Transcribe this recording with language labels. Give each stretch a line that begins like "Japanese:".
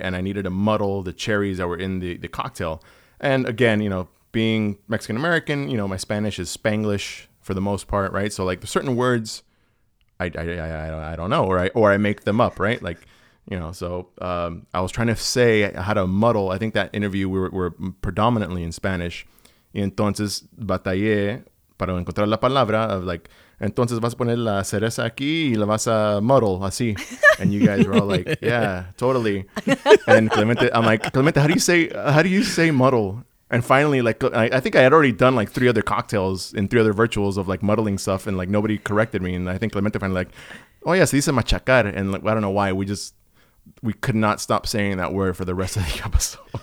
English: And I needed to muddle the cherries that were in the cocktail. And again, you know, being Mexican American, you know, my Spanish is Spanglish for the most part, right? So like certain words, I don't know, right? Or I make them up, right? Like, you know, so I was trying to say how to muddle. I think that interview we were predominantly in Spanish.
Spanish: Y entonces batallé para encontrar la palabra
English: of like,
Spanish: entonces vas a poner la cereza aquí y la vas a muddle así.
English: And you guys were all like, yeah, totally. And Clemente, I'm like, Clemente, how do you say muddle? And finally, like, I think I had already done like three other cocktails and three other virtuals of like muddling stuff, and like nobody corrected me. And I think Clemente finally like, oh yeah,
Spanish: se dice machacar.
English: And like, I don't know why we could not stop saying that word for the rest of the episode.